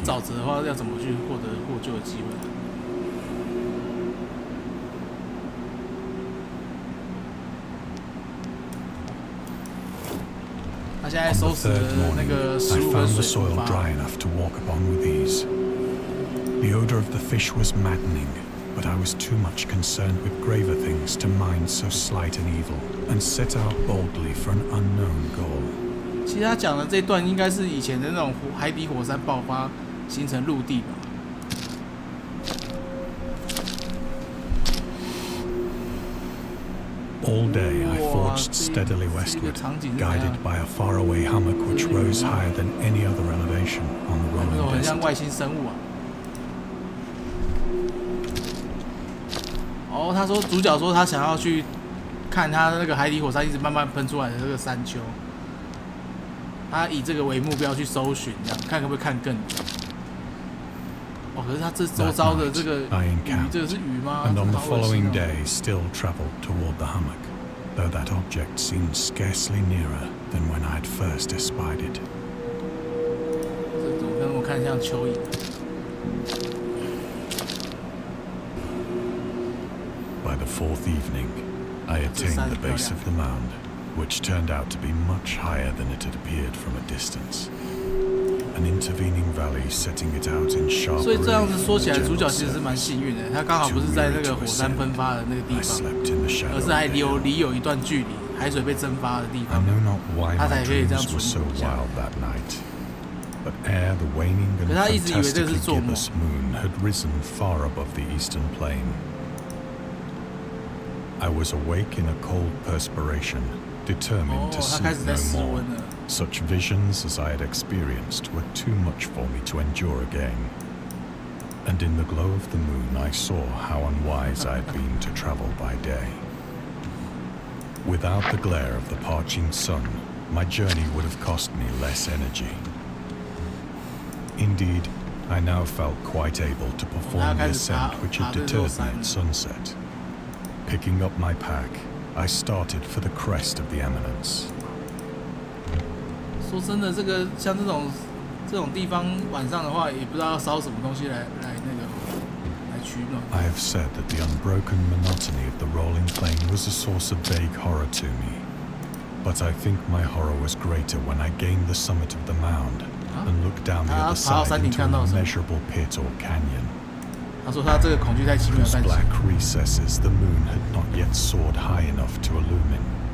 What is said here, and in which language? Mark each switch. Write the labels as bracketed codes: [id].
[zh] 这沼泽的话，要怎么去获得获救的机会？他现在收拾了那个食物跟水。 [en] I found the soil dry enough to walk upon with ease. The odor of the fish was maddening, but I was too much concerned with graver things to mind so slight an evil, and set out boldly for an unknown goal. [zh] 其实他讲的这段应该是以前的那种海底火山爆发形成陆地吧。 [en] All day I forged steadily westward, guided by a faraway hummock which rose higher than any other elevation on the rolling desert. [zh] 很像外星生物啊！哦，他说主角说他想要去看他那个海底火山一直慢慢喷出来的这个山丘。他以这个为目标去搜寻，这样看可不可以看更久。哦，可是他这周遭的这个鱼，这个是鱼吗？ [en] And on the following day, still travelled toward the hummock, though that object seemed scarcely nearer than when I had first espied it. [zh] 这怎么跟我看像蚯蚓？ [en] By the fourth evening, I attained the base of the mound. Which turned out to be much higher than it had appeared from a distance. An intervening valley setting it out in sharp relief. [zh] 所以这样子说起来，主角其实是蛮幸运的，他刚好不是在那个火山喷发的那个地方，而是还离有一段距离，海水被蒸发的地方。 [en] I know not why my dreams were so wild that night, but ere the waning and fantastically gibbous moon had risen far above the eastern plain, I was awake in a cold perspiration. Determined to sleep no more. Such visions as I had experienced were too much for me to endure again. And in the glow of the moon, I saw how unwise I had been to travel by day. Without the glare of the parching sun, my journey would have cost me less energy. Indeed, I now felt quite able to perform the ascent which had deterred me at sunset. Picking up my pack,I started for the crest of the eminence. [zh] 说真的，这个像这种地方，晚上的话也不知道要烧什么东西来取暖。 [en] I have said that the unbroken monotony of the rolling plain was a source of vague horror to me, but I think my horror was greater when I gained the summit of the mound and looked down the other side into an immeasurable pit or canyon. [zh] 他说他这个恐惧太轻了，但是 [en] black recesses the moon had not yet soared high enough to illumine.